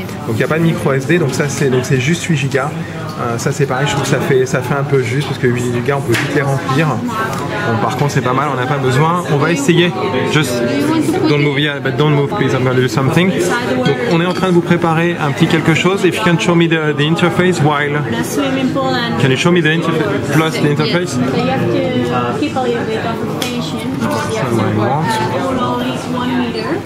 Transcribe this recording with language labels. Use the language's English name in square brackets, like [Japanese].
[French] Donc il n'y a pas de micro SD, donc c'est juste 8 Go. Ça c'est pareil, je trouve que ça fait un peu juste parce que 8 Go on peut vite les remplir. Bon, par contre c'est pas mal. mal, on n'a pas besoin, on va essayer. [English] Just don't move, yeah, but don't move, please, I'm going to do something. [French] Donc, on est en train de vous préparer un petit quelque chose. [English] If you can show me the interface while... Can you show me the interface, plus the interface? You have to keep a little bit of attention.